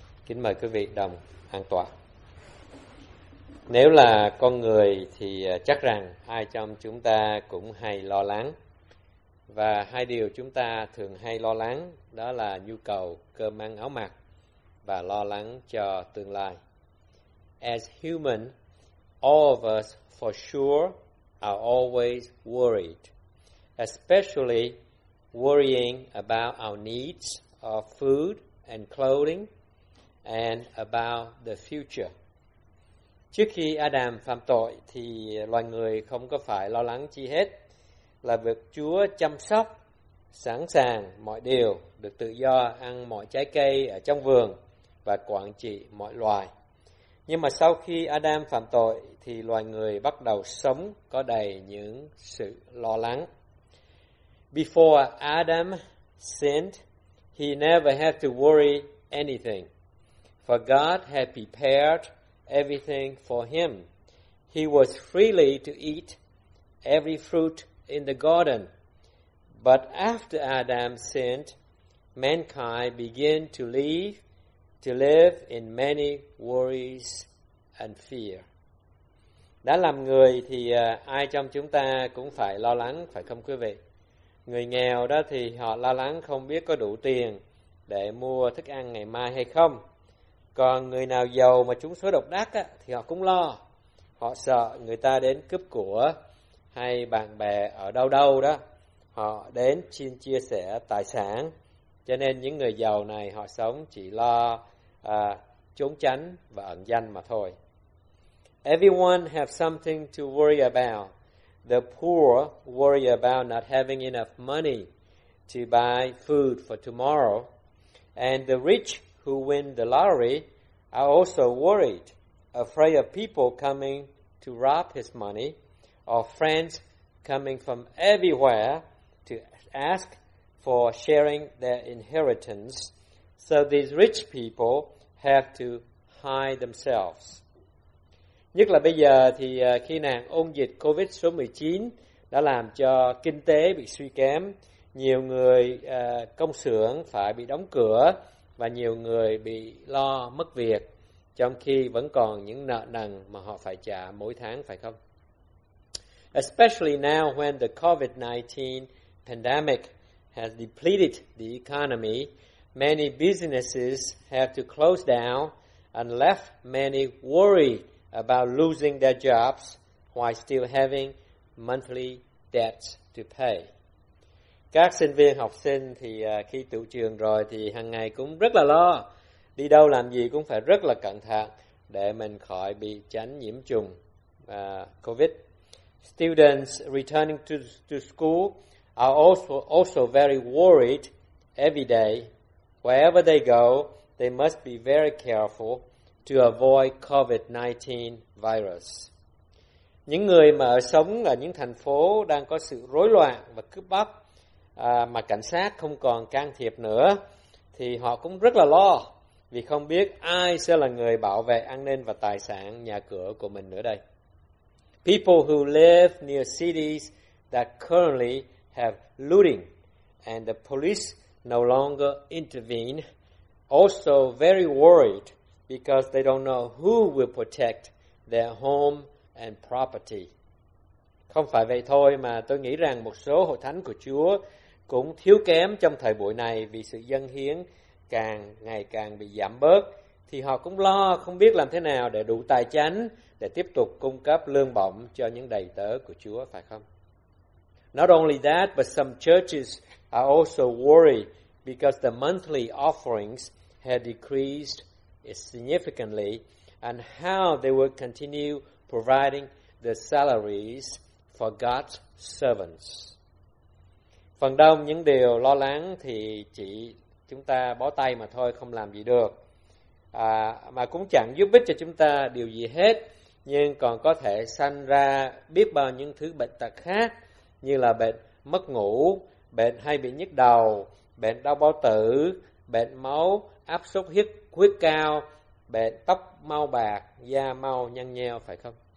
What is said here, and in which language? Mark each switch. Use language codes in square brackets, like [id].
[vi] Kính mời quý vị đồng an tọa. Nếu là con người thì chắc rằng ai trong chúng ta cũng hay lo lắng. Và hai điều chúng ta thường hay lo lắng đó là nhu cầu cơm ăn áo mặc và lo lắng cho tương lai. [en] As human, all of us, for sure, are always worried, especially worrying about our needs of food and clothing and about the future. [vi] Trước khi Adam phạm tội thì loài người không có phải lo lắng chi hết. Là việc Chúa chăm sóc, sẵn sàng mọi điều, được tự do ăn mọi trái cây ở trong vườn và quản trị mọi loài. Nhưng mà sau khi Adam phạm tội thì loài người bắt đầu sống có đầy những sự lo lắng. [en] Before Adam sinned, he never had to worry anything. For God had prepared everything for him. He was freely to eat every fruit in the garden. But after Adam sinned, mankind began to live in many worries and fear. [vi] Đã làm người thì ai trong chúng ta cũng phải lo lắng, phải không quý vị? Người nghèo đó thì họ lo lắng không biết có đủ tiền để mua thức ăn ngày mai hay không. Còn người nào giàu mà trúng số độc đắc á, thì họ cũng lo. Họ sợ người ta đến cướp của hay bạn bè ở đâu đâu đó. Họ đến xin chia sẻ tài sản. Cho nên những người giàu này họ sống chỉ lo trốn tránh và ẩn danh mà thôi. [en] Everyone have something to worry about. The poor worry about not having enough money to buy food for tomorrow. And the rich who win the lottery are also worried, afraid of people coming to rob his money, or friends coming from everywhere to ask for sharing their inheritance. So these rich people have to hide themselves. [vi] Nhất là bây giờ thì khi nạn ôn dịch COVID số 19 đã làm cho kinh tế bị suy kém, nhiều người công xưởng phải bị đóng cửa và nhiều người bị lo mất việc, trong khi vẫn còn những nợ nần mà họ phải trả mỗi tháng, phải không? [en] Especially now when the COVID-19 pandemic has depleted the economy, many businesses have to close down and left many worried about losing their jobs while still having monthly debts to pay. [vi] Các sinh viên học sinh thì khi tự trường rồi thì hàng ngày cũng rất là lo. Đi đâu làm gì cũng phải rất là cẩn thận để mình khỏi bị tránh nhiễm trùng COVID. [en] Students returning to school are also very worried every day. Wherever they go, they must be very careful to avoid COVID-19 virus. [vi] Những người mà sống ở những thành phố đang có sự rối loạn và cướp bóc mà cảnh sát không còn can thiệp nữa thì họ cũng rất là lo vì không biết ai sẽ là người bảo vệ an ninh và tài sản nhà cửa của mình nữa đây. [en] People who live near cities that currently have looting and the police no longer intervene also very worried because they don't know who will protect their home and property. [vi] Không phải vậy thôi mà tôi nghĩ rằng một số hội thánh của Chúa cũng thiếu kém trong thời buổi này vì sự dâng hiến càng ngày càng bị giảm bớt, thì họ cũng lo không biết làm thế nào để đủ tài chánh để tiếp tục cung cấp lương bổng cho những đầy tớ của Chúa, phải không? [en] Not only that, but some churches are also worried because the monthly offerings had decreased significantly, and how they will continue providing the salaries for God's servants. [vi] Phần đông những điều lo lắng thì chỉ chúng ta bó tay mà thôi, không làm gì được, mà cũng chẳng giúp ích cho chúng ta điều gì hết, nhưng còn có thể sanh ra biết bao những thứ bệnh tật khác, như là bệnh mất ngủ, bệnh hay bị nhức đầu, bệnh đau bao tử, bệnh máu, áp suất huyết huyết cao, bệnh tóc mau bạc, da mau nhăn nheo, phải không?